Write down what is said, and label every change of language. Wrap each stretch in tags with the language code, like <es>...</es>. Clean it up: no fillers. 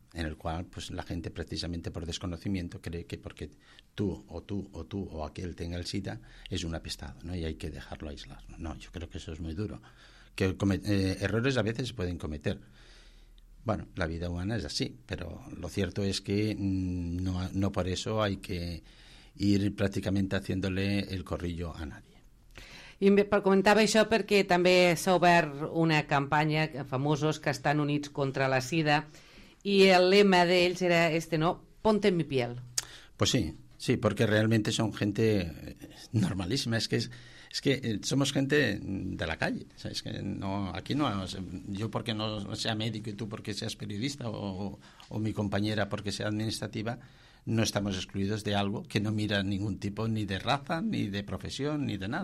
<es>En el cual pues la gente precisamente por desconocimiento cree que porque tú o aquel tenga el SIDA es un apestado, ¿no? Y hay que dejarlo aislar. No, yo creo que eso es muy duro. Que errores a veces se pueden cometer. Bueno, la vida humana es así, pero lo cierto es que no por eso hay que ir prácticamente haciéndole el corrillo a nadie.</es> <ca>I comentava això perquè també s'ha obert una campanya, famosos que estan units contra la SIDA, i el lema d'ells era este, no?</ca> <es>Ponte en mi piel. Pues sí, porque realmente son gente normalísima, es que Es que somos gente de la calle, ¿sabes? Que no, aquí no, yo porque no sea médico y tú porque seas periodista o mi compañera porque sea administrativa, no estamos excluidos de algo que no mira ningún tipo ni de raza, ni de profesión, ni de nada.</es>